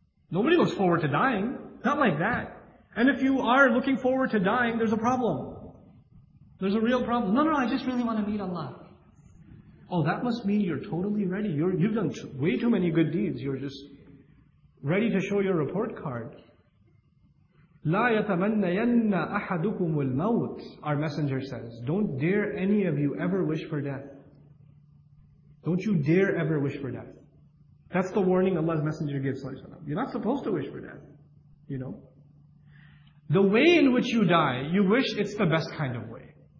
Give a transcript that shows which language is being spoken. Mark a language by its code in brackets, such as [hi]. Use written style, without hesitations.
[en] Nobody looks forward to dying. Not like that. And if you are looking forward to dying, there's a problem. There's a real problem. No, I just really want to meet Allah. Oh, that must mean you're totally ready. You've done way too many good deeds. You're just ready to show your report card. [ar] لَا يَتَمَنَّيَنَّ أَحَدُكُمُ الْمَوْتِ, [en] our messenger says. Don't dare any of you ever wish for death. Don't you dare ever wish for death. That's the warning Allah's messenger gives. You're not supposed to wish for death. You know? The way in which you die, you wish it's the best kind of way.